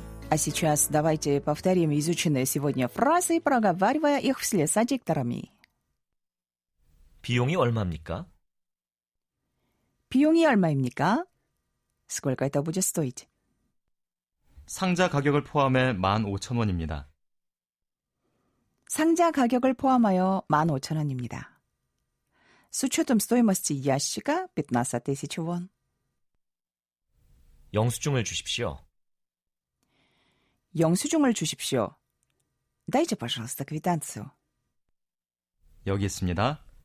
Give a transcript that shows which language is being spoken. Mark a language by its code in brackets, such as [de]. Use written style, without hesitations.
[ru] А сейчас давайте повторим изученные сегодня фразы, проговаривая их вслед за дикторами. [ko] 비용이 얼마입니까? 비용이 얼마입니까? [ru] Сколько это будет стоить? [ko] 상자 가격을 포함해 15,000원입니다. 상자 가격을 포함하여 15,000원입니다. [ru] С учетом стоимости ящика 15,000원. [ko] 영수증을 주십시오. 영수증을 주십시오. [ru] Дайте, пожалуйста, квитанцию. [ko] 여기 있습니다.